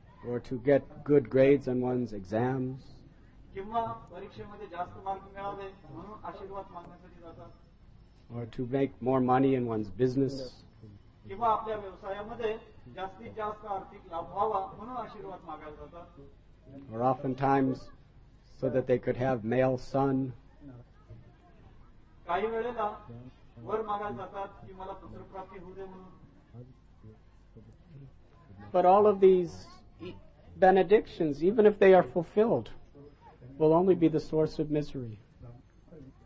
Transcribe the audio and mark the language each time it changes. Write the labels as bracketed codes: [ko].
[en] Or to get good grades on one's exams. [mr] किंवा परीक्षेमध्ये जास्त मार्क मिळावे म्हणून आशीर्वाद मागण्यासाठी जातात. [en] Or to make more money in one's business. [mr] किंवा आपल्या व्यवसायामध्ये जास्तीत जास्त आर्थिक लाभ व्हावा म्हणून आशीर्वाद मागायला जातात. [en] Or oftentimes so that they could have male son. [mr] काही वेळेला वर मागायला जातात की मला पुत्रप्राप्ती होऊ दे म्हणून. [en] But all of these benedictions, even if they are fulfilled, will only be the source of misery.